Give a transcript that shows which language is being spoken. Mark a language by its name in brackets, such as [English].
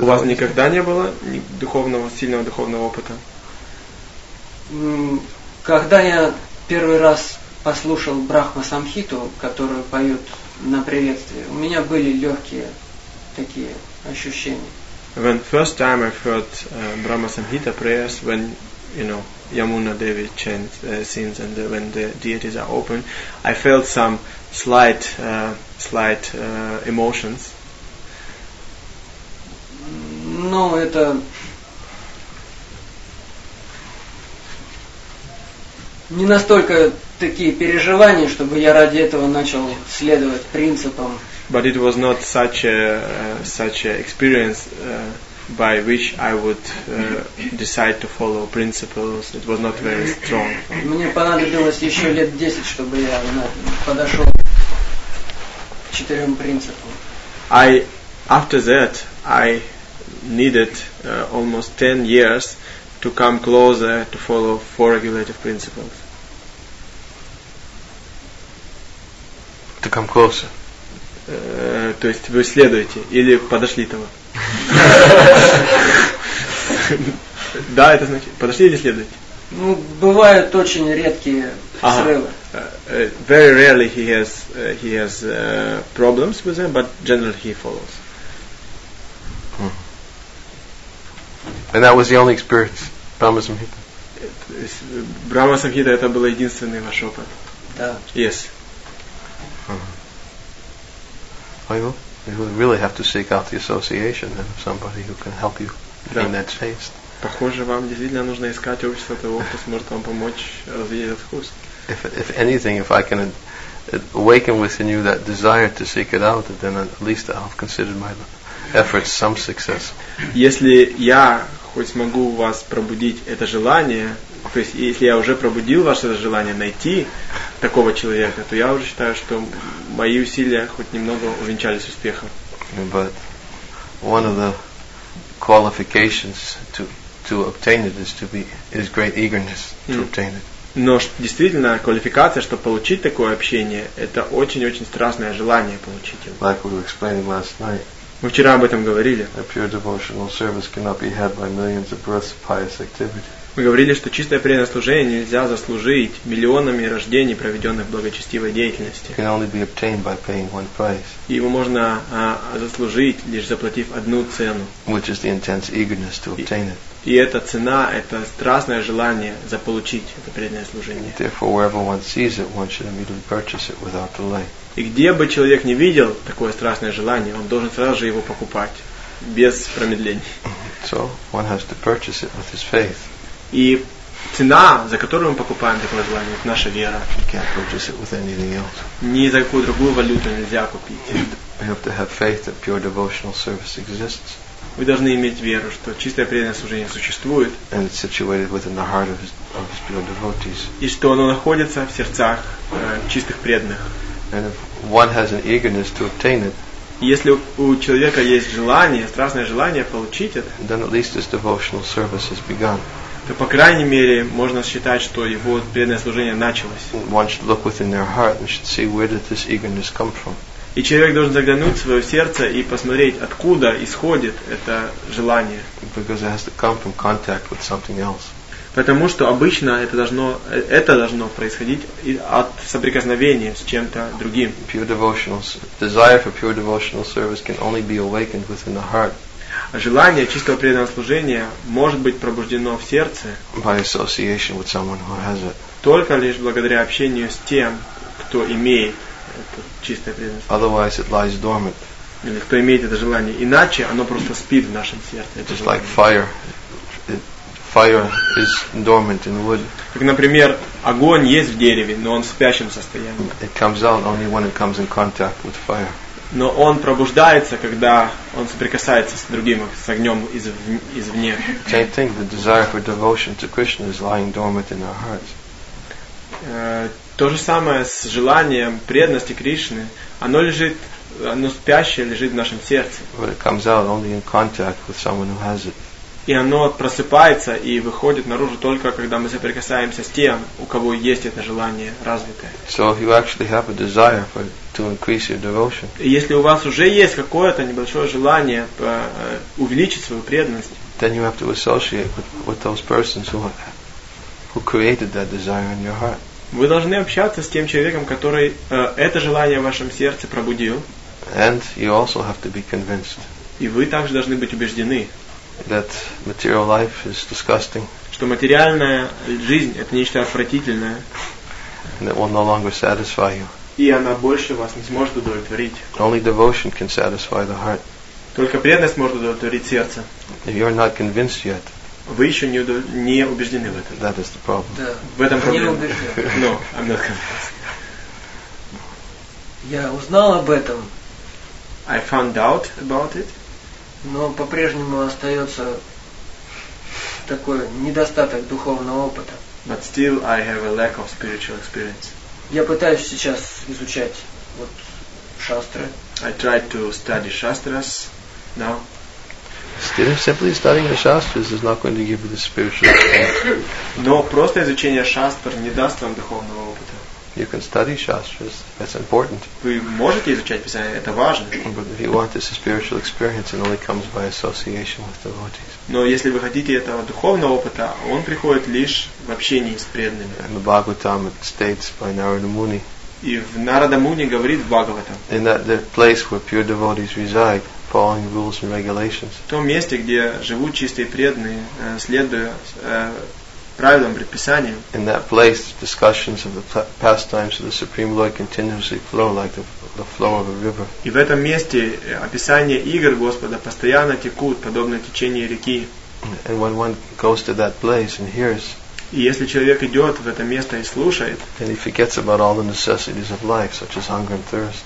[Russian] У вас никогда не было духовного, сильного духовного опыта? Когда я первый раз послушал Брахма Самхиту, которую поют на приветствии, у меня были легкие такие ощущения. [English] When first time I heard Brahma Samhita prayers, when you know Yamuna Devi chants sings and when the deities are open, I felt some slight emotions. [Russian] No, это не настолько такие переживания, чтобы я ради этого начал следовать принципам. [English] But it was not such a experience by which I would decide to follow principles. It was not very strong. [Russian] Мне понадобилось еще лет 10, чтобы я подошел к четырем принципам. [English] After that, I needed almost 10 years to come closer to follow four regulative principles. To come closer. [Russian] То есть вы следуете или подошли того? Да, это значит подошли или следуете? Ну, бывают очень редкие срывы. [English] Very rarely he has problems with them, but generally he follows. And that was the only experience, Brahma Samhita. [Russian] Brahma Samhita, это был единственный ваш опыт? Да. [English] Yes. You really have to seek out the association then of somebody who can help you in that phase. [Russian] Похоже, вам действительно нужно искать общество того, кто сможет вам помочь развить этот вкус. [English] If anything, if I can awaken within you that desire to seek it out, then at least I've considered my efforts some success. [Russian] Если я хоть смогу у вас пробудить это желание, то есть если я уже пробудил ваше желание найти такого человека, то я уже считаю, что мои усилия хоть немного увенчались успехом. [English] But one of the qualifications to obtain it is great eagerness to obtain it. [Russian] Но действительно квалификация, чтобы получить такое общение, это очень-очень страстное желание получить его. [English] Like we were explaining last night. [Russian] Мы вчера об этом говорили. [English] A pure devotional service cannot be had by millions of births of pious activity. [Russian] Мы говорили, что чистое преданное служение нельзя заслужить миллионами рождений, проведенных в благочестивой деятельности. [English] Can only be obtained by paying one price. [Russian] И его можно заслужить, лишь заплатив одну цену. [English] Which is the intense eagerness to obtain it. [Russian] И эта цена – это страстное желание заполучить это преданное служение. [English] Therefore, wherever one sees it, one should immediately purchase it without delay. [Russian] И где бы человек не видел такое страстное желание, он должен сразу же его покупать, без промедлений. [English] So, one has to purchase it with his faith. [Russian] И цена, за которую мы покупаем такое желание, это наша вера. [English] You can't purchase it with anything else. [Russian] Ни за какую другую валюту нельзя купить. [English] You have to have faith that pure devotional service exists. [Russian] Вы должны иметь веру, что чистое преданное служение существует. [English] And it's situated within the heart of his pure devotees. [Russian] И что оно находится в сердцах чистых преданных. [English] And if one has an eagerness to obtain it, [Russian] если у человека есть желание, страстное желание получить это, [English] then at least his devotional service has begun. [Russian] То по крайней мере можно считать, что его преданное служение началось. [English] One should look within their heart and should see where did this eagerness come from. [Russian] И человек должен заглянуть в свое сердце и посмотреть, откуда исходит это желание. [English] Because it has to come from contact with something else. [Russian] Потому что обычно это должно происходить от соприкосновения с чем-то другим. [English] Pure devotional desire for pure devotional service can only be awakened within the heart. [Russian] Желание чистого преданного служения может быть пробуждено в сердце. [English] By association with someone who has it. [Russian] Только лишь благодаря общению с тем, кто имеет это чистое преданное служение. [English] Otherwise it lies dormant. [Russian] Или кто имеет это желание, иначе оно просто спит в нашем сердце. [English] Just like fire. Fire is dormant in wood. [Russian] Как, например, огонь есть в дереве, но он в спящем состоянии. [English] It comes out only when it comes in contact with fire. [Russian] Но он пробуждается, когда он соприкасается с другим, с огнем извне. [English] Same thing, the desire for devotion to Krishna is lying dormant in our hearts. [Russian] То же самое с желанием преданности Кришны. Оно лежит, оно спящее лежит в нашем сердце. [English] But it comes out only in contact with someone who has it. [Russian] И оно просыпается и выходит наружу только когда мы соприкасаемся с тем, у кого есть это желание развитое. [English] So if you actually have a desire for, to increase your devotion. [Russian] И если у вас уже есть какое-то небольшое желание увеличить свою преданность. [English] Then you have to associate with those persons who created that desire in your heart. [Russian] Вы должны общаться с тем человеком, который это желание в вашем сердце пробудил. [English] And you also have to be convinced. [Russian] И вы также должны быть убеждены. [English] That material life is disgusting. [Russian] Что материальная жизнь это нечто отвратительное. [English] And it will no longer satisfy you. [Russian] И она больше вас не сможет удовлетворить. [English] Only devotion can satisfy the heart. [Russian] Только преданность может удовлетворить сердце. [English] If you're not convinced yet. [Russian] Вы еще не убеждены в этом. [English] That is the problem. [Russian] Да. В этом проблема. Не убеждены. [English] No, I'm not convinced. [Russian] Я узнал об этом. [English] I found out about it. [Russian] Но по-прежнему остается такой недостаток духовного опыта. [English] But still I have a lack of spiritual experience. [Russian] Я пытаюсь сейчас изучать вот шастры. [English] I try to study shastras now. Still, simply studying the shastras is not going to give you the spiritual experience. [Russian] Но просто изучение шастр не даст вам духовного опыта. [English] You can study shastras. That's important. [Russian] Вы можете изучать писание. Это важно. [English] But if you want this spiritual experience, it only comes by association with devotees. [Russian] Но если вы хотите этого духовного опыта, он приходит лишь в общении с преданными. [English] In the Bhagavatam it states by Narada Muni. [Russian] И в Narada Muni говорит в Бхагаватам. [English] In that the place where pure devotees reside, following rules and regulations. [Russian] В том месте, где живут чистые преданные, следуя правилам, предписаниям. [English] In that place, discussions of the pastimes of the Supreme Lord continuously flow like the flow of a river. [Russian] И в этом месте описания игр Господа постоянно текут, подобно течению реки. [English] And when one goes to that place and hears, [Russian] и если человек идет в это место и слушает, [English] then he forgets about all the necessities of life, such as hunger and thirst.